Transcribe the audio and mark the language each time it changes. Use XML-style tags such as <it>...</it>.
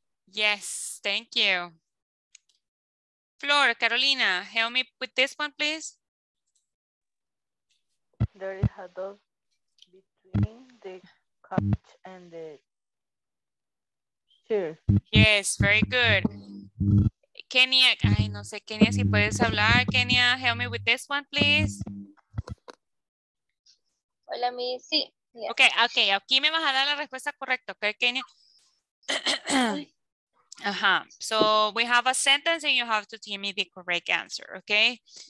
<en>Yes, thank you. Flor, Carolina, help me with this one, please. There is a dog between the couch and the chair. Yes, very good.</en> <es>Kenia, ay, no sé, Kenia, si puedes hablar.</es> <en>Kenia, help me with this one, please.</en> <es>Hola, mi, sí. Okay, aquí me vas a dar la respuesta correcta, okay, Kenia.</es> <en>So we have a sentence and you have to give me the correct answer, okay?</en>